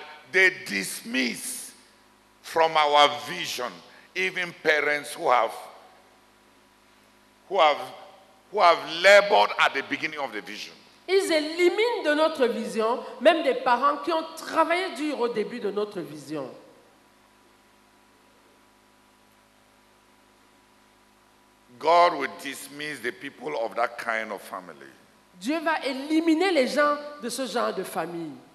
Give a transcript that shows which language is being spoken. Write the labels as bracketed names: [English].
[English] They dismiss from our vision even parents who have labored at the beginning of the vision. [French] Ils éliminent de notre vision même des parents qui ont travaillé dur au début de notre vision. [English] God will dismiss the people of that kind of family. [French] Dieu va éliminer les gens de ce genre de famille.